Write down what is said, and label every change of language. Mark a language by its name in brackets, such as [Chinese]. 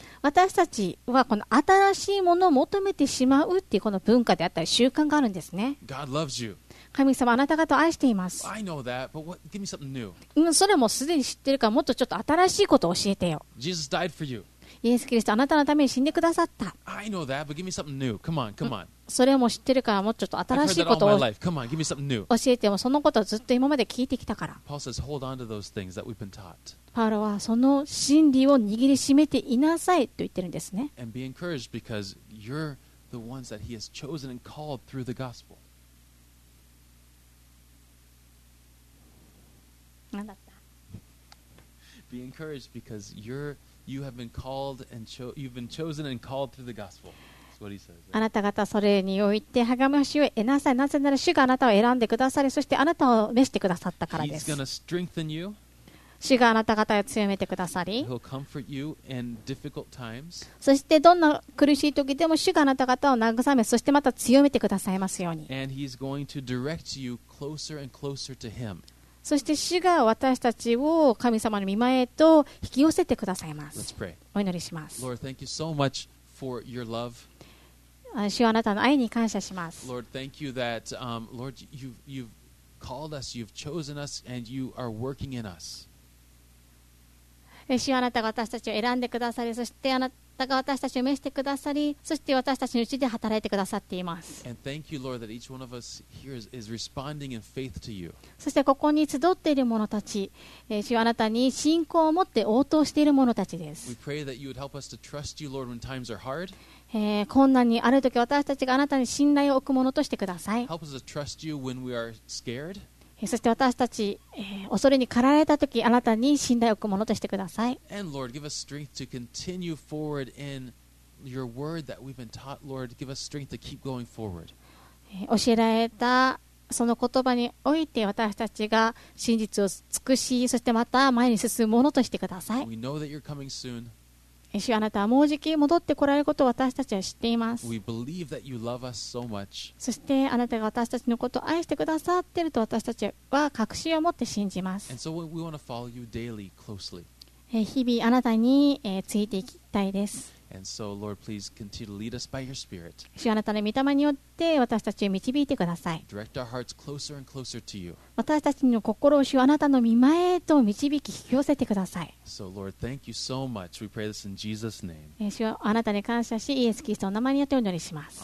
[Japanese] 私たちはこの新しいものを求めてしまうっていうこの文化であったり習慣があるんですね。 [English] God loves you. [Japanese] 神様あなた方を愛しています。 [English] I know that, but what, give me something new. [Japanese] それもすでに知ってるからもっとちょっと新しいことを教えてよ。 [English] Jesus died for you. [Japanese] イエス・キリストあなたのために死んでくださった。 [English] I know that, but give me something new. Come on, come on. [Japanese] それも知ってるからもうちょっと新しいことを教えても、そのことをずっと今まで聞いてきたから。 [English] Paul says, hold on to those things that we've been taught. [Japanese] パウロはその真理を握りしめていなさいと言ってるんですね。 [English] And be encouraged because you're the ones that he has chosen and called through the gospel. [Japanese] なんだった? [English] Be encouraged because you have been called and you've been chosen and called through the gospel. [Japanese] あなた方それにおいて励ましを得なさい。なぜなら主があなたを選んでくださり、そしてあなたを召してくださったからです。 [English] He's gonna strengthen you. [Japanese] 主があなた方を強めてくださり、 [English] He'll comfort you in difficult times. [Japanese] そしてどんな苦しい時でも主があなた方を慰め、そしてまた強めてくださいますように。 [English] And he's going to direct you closer and closer to him. [Japanese] そして主が私たちを神様の御前へと引き寄せてくださいます。 [English] Let's pray. [Japanese] お祈りします。 [English] Lord, thank you so much for your love. [Japanese] 主はあなたの愛に感謝します。 [English] Lord, thank you that, Lord, you've called us, you've chosen us, and you are working in us. [Japanese] 主はあなたが私たちを選んでくださり、そしてあなたが私たちを召してくださり、そして私たちのうちで働いてくださっています。 [English] And thank you, Lord, that each one of us here is responding in faith to you. [Japanese] そしてここに集っている者たち、主はあなたに信仰を持って応答している者たちです。 [English] We pray that you would help us to trust you, Lord, when times are hard. [Japanese] 困難にあるとき私たちがあなたに信頼を置くものとしてください。 [English] Help us to trust you when we are scared. [Japanese] そして私たち、恐れに駆られたときあなたに信頼を置くものとしてください。 [English] And Lord, give us strength to continue forward in your word that we've been taught. Lord, give us strength to keep going forward. [Japanese] 教えられたその言葉において私たちが真実を尽くし、そしてまた前に進むものとしてください。 [English] We know that you're coming soon. [Japanese] 主あなたはもうじき戻ってこられることを私たちは知っています。 [English] We believe that you love us so much. [Japanese] そしてあなたが私たちのことを愛してくださっていると私たちは確信を持って信じます。 [English] And so we want to follow you daily closely. [Japanese] 日々あなたについていきたいです。 [English] And so, Lord, please continue to lead us by your Spirit. [Japanese] 主あなたの御霊によって私たちを導いてください。 [English] Direct our hearts closer and closer to you. [Japanese] 私たちの心を主あなたの御前へと導き引き寄せてください。 [English] So, Lord, thank you so much. We pray this in Jesus' name. [Japanese] 主あなたに感謝し、イエス・キリストの名前によってお祈りします。